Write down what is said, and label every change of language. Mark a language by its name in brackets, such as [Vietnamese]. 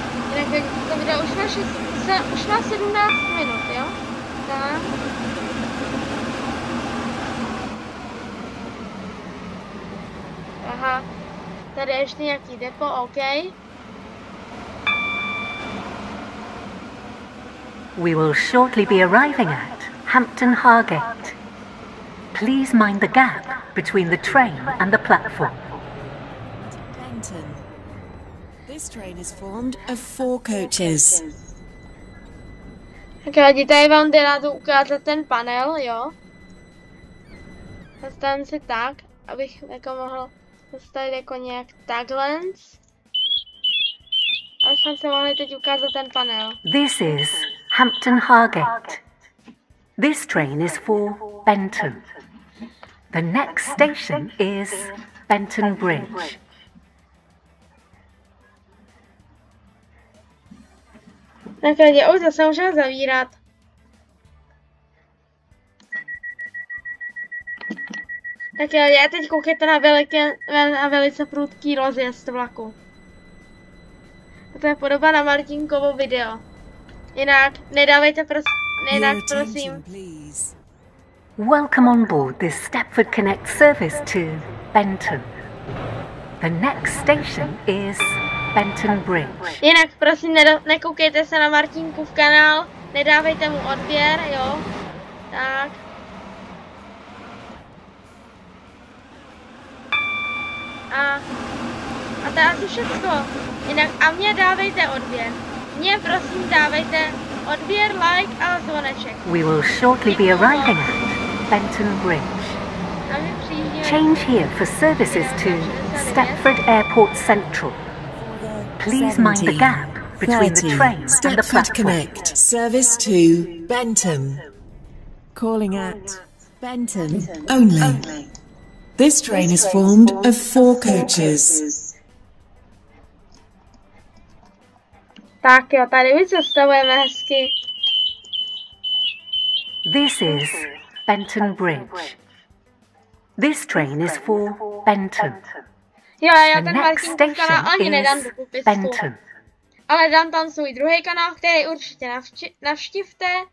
[Czech] Jinak to video už má, už má 17 minut, jo? Tak. Aha, tady ještě nějaký depo, OK. [English] We will shortly be arriving at Hampton Harget. Please mind the gap between the train and the platform. Benton. This train is formed of four coaches. [Czech] Tak rádi, tady vám jde rád ukázat ten panel, jo? Zastavím se tak, abych jako mohl zastavit jako nějak takhle. Aby jsme se mohli teď ukázat ten panel. [English] This is Hampton Harget. This train is for Benton. The next station is Benton Bridge. [Czech] Tak lidi, už zase můžeme zavírat. Tak lidi, a teď koukejte na, na velice prudký rozjezd vlaku. A to je podoba na Martinkovo video. Jinak nedávejte prosím. [English] Welcome on board this Stepford Connect service to Benton. The next station is Benton Bridge. [Czech] Jinak prosím nekoukejte se na Martinku v kanál, nedávejte mu odběr, jo? Tak. A to je asi všechno. Jinak a mě dávejte odběr. Mě prosím dávejte odběr, like a zvoneček. [English] We will shortly be arriving at Benton Bridge. Change here for services to Stepford Airport Central. Please mind the gap between the train and the platform. Stepford Connect, service to Benton. Calling at Benton only. This train is formed of four coaches. [Czech] Tak jo, tady my zastavujeme hezky. [English] This is Benton Bridge. This train is for Benton. [Czech] Jo, já ten Martinkův kanál ani nedám do popisku. Benton. Ale dám tam svůj druhý kanál, který určitě navštivte.